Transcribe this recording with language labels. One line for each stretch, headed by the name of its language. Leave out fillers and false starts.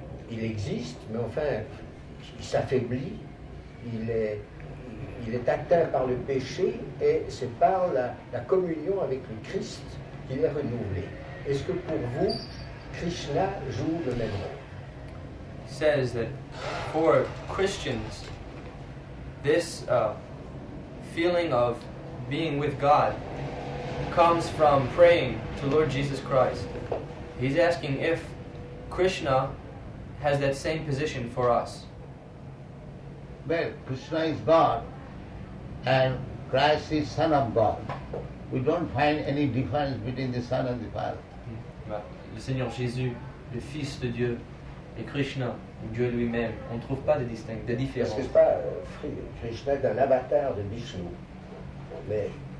French: Il existe, mais enfin, il s'affaiblit, il est atteint par le péché et c'est par la communion avec le Christ qu'il est renouvelé. Est-ce que pour vous, Krishna joue le même rôle?
English: Says that for Christians, this feeling of being with God comes from praying to Lord Jesus Christ. He's asking if Krishna has that same position for us. Well, Krishna is God, and Christ is Son of God. We don't find any difference between the Son and the Father.
French: Le Seigneur Jésus, le Fils de Dieu, et Krishna, Dieu lui-même, on ne trouve pas de distinction, de différence. Parce que c'est pas Krishna est un avatar de Vishnu, mais